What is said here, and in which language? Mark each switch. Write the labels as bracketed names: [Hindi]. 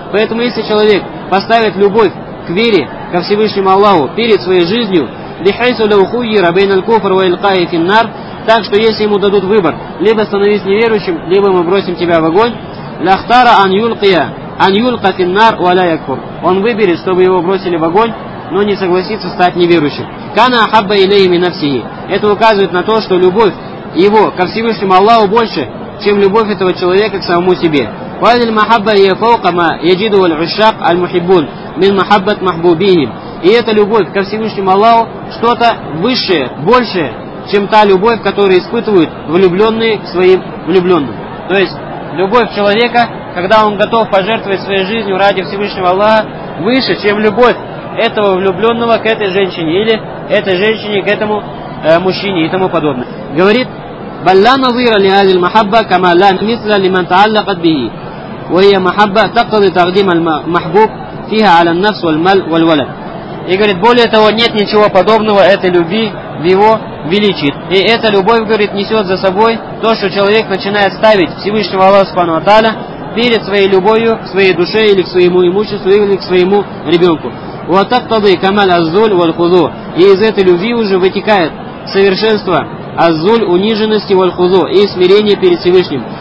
[Russian] Поэтому если человек поставит любовь к вере ко Всевышнему Аллаху перед своей жизнью, лихайсу лаухуйи рабейна куфр ва илкаи финнар, так что если ему дадут выбор, либо становись неверующим, либо мы бросим тебя в огонь, лахтара ан юлка финнар ва ля якфур, он выберет, чтобы его бросили в огонь, но не согласится стать неверующим. Кана ахабба илейхи мин нафсихи. Это указывает на то, что любовь его ко Всевышнему Аллаху больше, чем любовь этого человека к самому себе. [Arabic] وهذه المحبة هي فوق ما يجده العشاق المحبون من محبة محبوبيهم. [Russian] И эта любовь ко Всевышнему Аллаху что-то высшее, большее, чем та любовь, которую испытывают влюбленные к своим влюбленным. То есть любовь человека, когда он готов пожертвовать своей жизнью ради Всевышнего Аллаха, выше, чем любовь этого влюбленного к этой женщине или этой женщине к этому мужчине и тому подобное. [Arabic] Говорит, بلا نظير لهذه المحبة كما لا مثل لمن تعلقت به وهي محبة تقتضي تقديم المحبوب فيها على النفس والمال والولد. [Russian] И говорит, более того, нет ничего подобного этой любви в его величии. И эта любовь, говорит, несет за собой то, что человек начинает ставить Всевышнего Аллаха субхану ва тааля перед своей любовью к своей душе или к своему имуществу или к своему ребенку. Вот так тогда и камаль аззуль вальхузу. И из этой любви уже вытекает совершенство аззуль униженности вальхузу и смирение перед Всевышним.